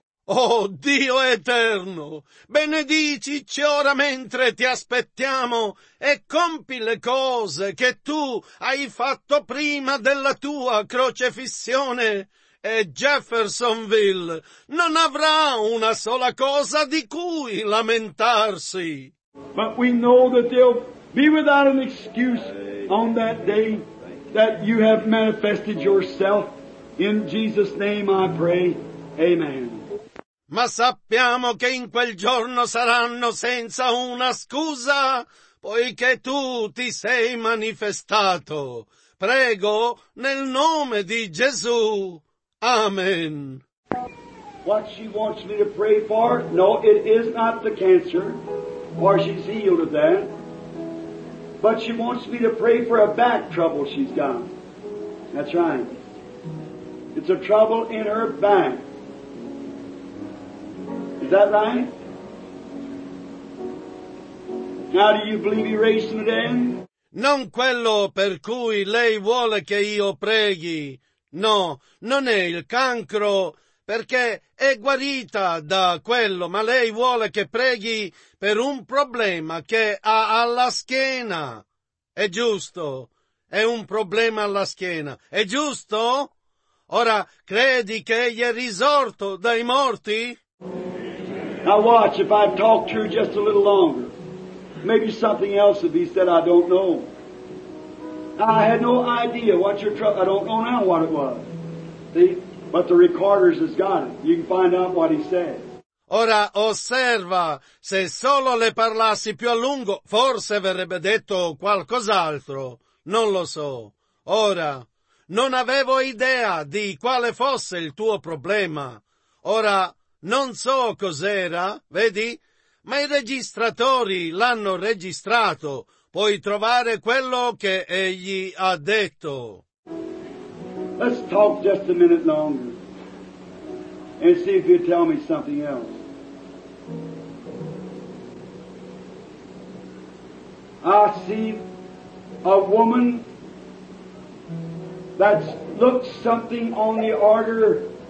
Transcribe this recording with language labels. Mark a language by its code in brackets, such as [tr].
[it] Oh, Dio eterno, benedicici ora mentre ti aspettiamo e compi le cose che tu hai fatto prima della tua crocefissione. E Jeffersonville non avrà una sola cosa di cui lamentarsi. [en] But we know that they'll be without an excuse on that day that you have manifested yourself. In Jesus' name I pray. Amen. [it] Ma sappiamo che in quel giorno saranno senza una scusa, poiché tu ti sei manifestato. Prego nel nome di Gesù. Amen. [en] What she wants me to pray for? No, it is not the cancer, for she's healed of that. But she wants me to pray for a back trouble she's got. That's right. It's a trouble in her back. Is that right? Now, do you believe he raised from the dead? [it] Non quello per cui lei vuole che io preghi. No, non è il cancro, perché è guarita da quello, ma lei vuole che preghi per un problema che ha alla schiena. È giusto, è un problema alla schiena. È giusto? Ora, credi che egli è risorto dai morti? [en] Now watch, if I talk to you just a little longer, maybe something else would be said I don't know. I had no idea what your trouble, I don't know now what it was. See? But the recorders has got it. You can find out what he said. [it] Ora osserva, se solo le parlassi più a lungo, forse verrebbe detto qualcos'altro. Non lo so. Ora, non avevo idea di quale fosse il tuo problema. Ora, non so cos'era, vedi? Ma i registratori l'hanno registrato. Puoi trovare quello che egli ha detto. [en] Let's talk just a minute longer and see if you tell me something else. I see a woman that's looked something on the altar.